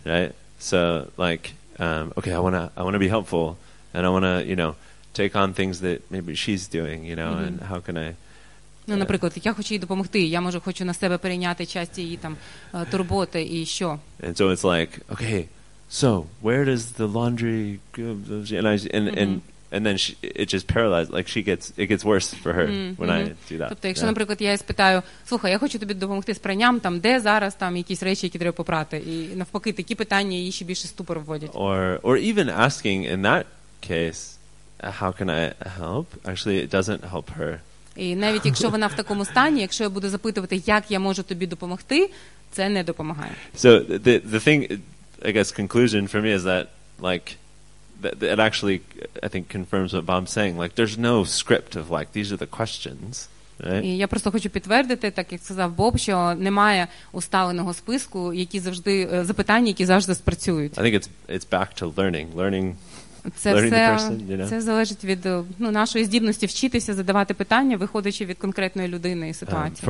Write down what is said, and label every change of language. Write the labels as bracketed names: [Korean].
[English] Right? So like, okay, I wanna be helpful, and I wanna, you know, take on things that maybe she's doing, you know, mm-hmm. and how can I? [Ukrainian] Ну, наприклад, я хочу їй допомогти. Я може хочу на себе перейняти часть її там турботи і що. [English] And so it's like, okay, so where does the laundry go? And then it just paralyzes. Like it gets worse for her mm-hmm. when mm-hmm. I do that. [Ukrainian] Тобто, якщо, yeah. наприклад, я її спитаю, слухай, я хочу тобі допомогти з пранням, там де зараз там якісь речі, які треба попрати, і навпаки, такі питання її ще більше ступор вводять. [English] Or even asking in that case, how can I help? Actually, it doesn't help her. [Ukrainian] І навіть якщо вона в такому стані, якщо я буду запитувати, як я можу тобі допомогти, це не допомагає. [English] So the thing, I guess, conclusion for me is that, like, it actually, I think, confirms what Bob's saying. Like, there's no script of, like, these are the questions, right? [Ukrainian] І я просто хочу підтвердити, так як сказав Боб, що немає уставленого списку, які завжди, запитання, які завжди спрацюють. [English] I think it's back to learning. [Ukrainian] Це все, [English] the person, you know? [Ukrainian] Це залежить від, ну, нашої здібності вчитися задавати питання, виходячи від конкретної людини і ситуації.